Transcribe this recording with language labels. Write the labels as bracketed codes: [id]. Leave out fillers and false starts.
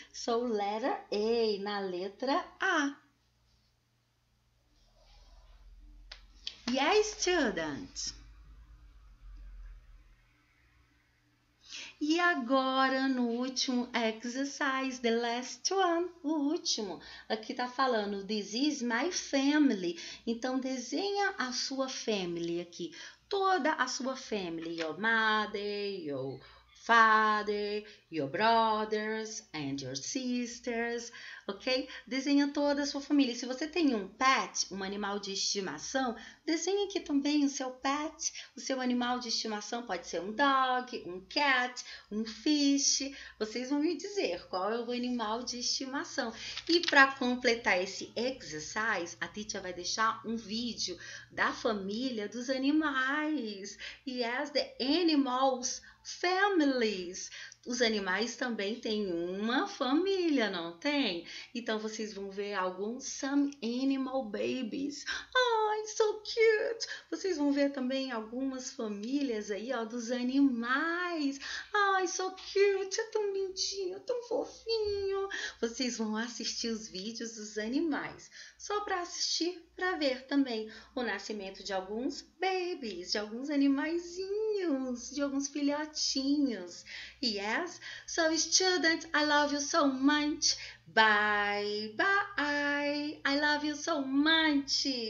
[en] So, letter A, [pt] na letra A. [en] Yes, student. [pt] E agora, no último exercise, [en] the last one, [pt] o último. Aqui tá falando, [en] this is my family. [pt] Então, desenha a sua family aqui. Toda a sua family. [en] Your mother, your father, your brothers and your sisters, ok? [pt] Desenha toda a sua família. Se você tem um pet, um animal de estimação, desenhe aqui também o seu pet. O seu animal de estimação pode ser um dog, um cat, um fish. Vocês vão me dizer qual é o animal de estimação. E para completar esse exercise, a teacher vai deixar um vídeo da família dos animais. [en] Yes, the animals. Families. [pt] Os animais também têm uma família, não tem? Então vocês vão ver alguns [en] some animal babies. [pt] Ai, [en] so cute! [pt] Vocês vão ver também algumas famílias aí, ó, dos animais. Ai, [en] so cute! [pt] É tão lindinho, tão fofinho. Vocês vão assistir os vídeos dos animais. Só para assistir, para ver também o nascimento de alguns babies, de alguns animaizinhos, de alguns filhotinhos. [en] Yes? So, students, I love you so much. Bye, bye. I love you so much.